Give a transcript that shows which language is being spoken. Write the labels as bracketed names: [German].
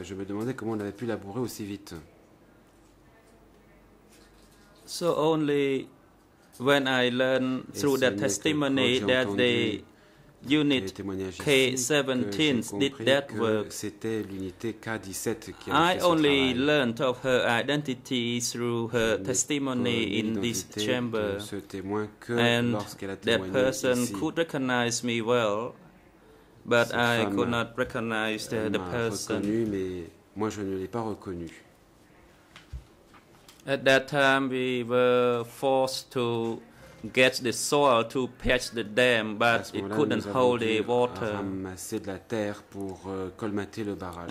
[French] Je me demandais comment on avait pu labourer aussi vite. [English] So only when I learned through the testimony that the unit K-17 did that work, [French] c'était l'unité K-17 qui a fait ce travail. [English] I only learned of her identity through her testimony in this chamber, and that person could recognize me well. But I could not recognize the person. [French] Reconnu, mais moi je ne l'ai pas reconnu. [English] At that time, we were forced to get the soil to patch the dam, but it couldn't hold the water. [French] Ramasser de la terre pour colmater le barrage.